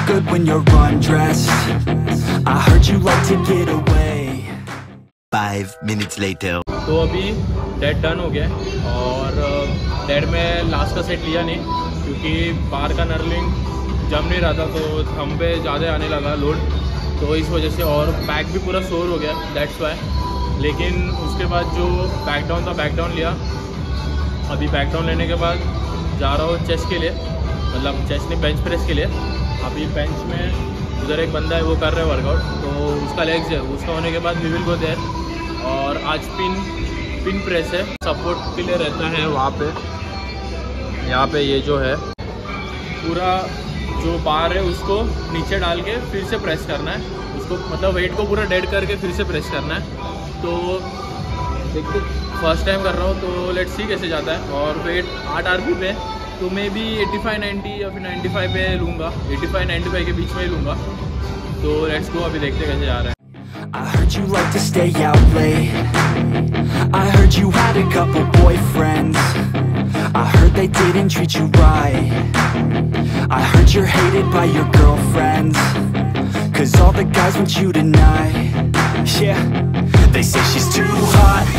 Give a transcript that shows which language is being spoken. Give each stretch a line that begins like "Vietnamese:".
English: when you're undressed. I heard you like to get away. 5 minutes later.
Hindi: तो अभी dead done हो गया और डेड में लास्ट का सेट लिया नहीं क्योंकि बार का नर्लिंग जम नहीं रहा था तो थंब पे ज़्यादा आने लगा लोड तो इस वजह से और बैक भी पूरा सोर हो गया
English: That's why.
Hindi: लेकिन उसके बाद जो बैकडाउन था बैकडाउन लिया. अभी बैकडाउन लेने के बाद जा रहा हूँ चेस्ट के लिए मतलब चेस्ट नहीं बेंच प्रेस के लिए. अभी बेंच में उधर एक बंदा है वो कर रहा है वर्कआउट तो उसका लेग्स है उसका होने के बाद
English: We will go there.
Hindi: और आज पिन प्रेस है सपोर्ट के लिए रहता है वहाँ पे. यहाँ पे ये जो है पूरा जो बार है उसको नीचे डाल के फिर से प्रेस करना है उसको मतलब वेट को पूरा डेड करके फिर से प्रेस करना है. तो देखते फर्स्ट टाइम कर रहा हूँ तो
English: let's see
Hindi: कैसे जाता है. और वेट 8 RPM पे तो
English: maybe
Hindi: 85-90 या फिर 95 पे लूँगा 85-95 के बीच में ही लूँगा. तो
English: let's go
Hindi: अभी देखते कैसे जा रहा है.
English: I heard you like to stay out late. I heard you had a couple boyfriends. I heard they didn't treat you right. I heard you're hated by your girlfriends. 'Cause all the guys want you tonight. Yeah. They say she's too hot.